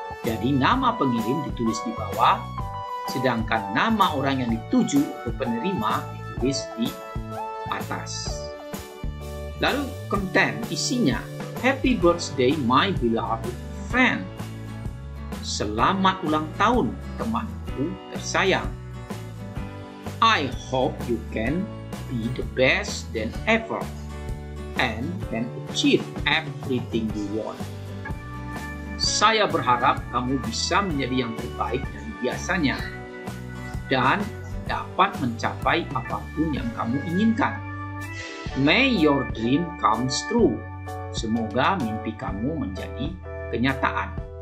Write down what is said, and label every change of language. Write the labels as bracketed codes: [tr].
[id] Jadi nama pengirim ditulis di bawah, sedangkan nama orang yang dituju atau penerima ditulis di atas. [en] Lalu content isinya, Happy birthday my beloved friend. [id] Selamat ulang tahun temanku tersayang. [en] I hope you can be the best than ever and can achieve everything you want. [id] Saya berharap kamu bisa menjadi yang terbaik dari biasanya dan dapat mencapai apapun yang kamu inginkan. [en] May your dream comes true. [id] Semoga mimpi kamu menjadi kenyataan.